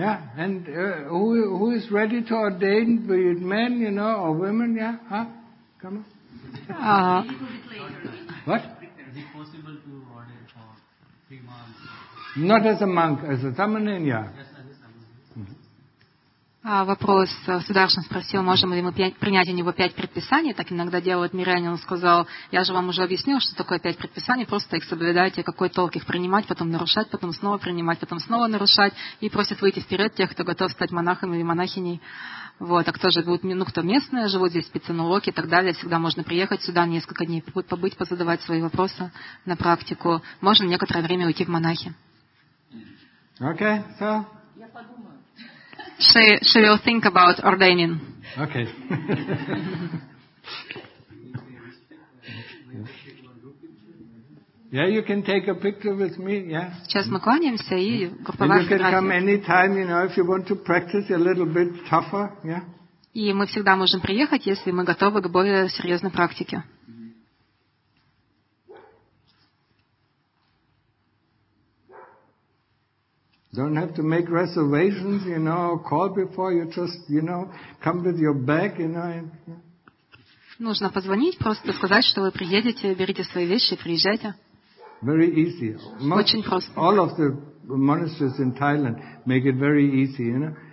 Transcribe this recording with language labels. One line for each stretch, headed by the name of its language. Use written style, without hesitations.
English: Yeah, and who is ready to ordain, be it men, you know, or women, yeah, huh? Come on. What? Is it possible to order for 3 months? Not as a monk, as a tamanin, yeah. Yes, as a
Russian: Вопрос Сударшин спросил, можем ли мы принять у него 5 предписаний, так иногда делают миряне, он сказал, я же вам уже объяснил, что такое 5 предписаний, просто их соблюдайте, какой толк их принимать, потом нарушать, потом снова принимать, потом снова нарушать, и просят выйти вперед тех, кто готов стать монахом или монахиней. Вот, а кто же будет, ну, кто местный, живут здесь в Пиццанулоке и так далее, всегда можно приехать сюда несколько дней, будет побыть, позадавать свои вопросы на практику. Можно некоторое время уйти в монахи.
English: Okay, so. She will think about ordaining. Okay. Yeah, you can take a picture with me, yeah? And you can come anytime, you know, if you want to practice a little bit tougher, yeah?
Russian: И мы всегда можем приехать, если мы готовы к более серьезной практике.
English: Don't have to make reservations, you know, call before, you just, you know, come with your bag, you know.
Russian: Нужно позвонить, просто сказать, что вы приедете, берите свои вещи, приезжайте.
English: Very easy.
Russian: Очень просто.
English: All of the monasteries in Thailand make it very easy, you know.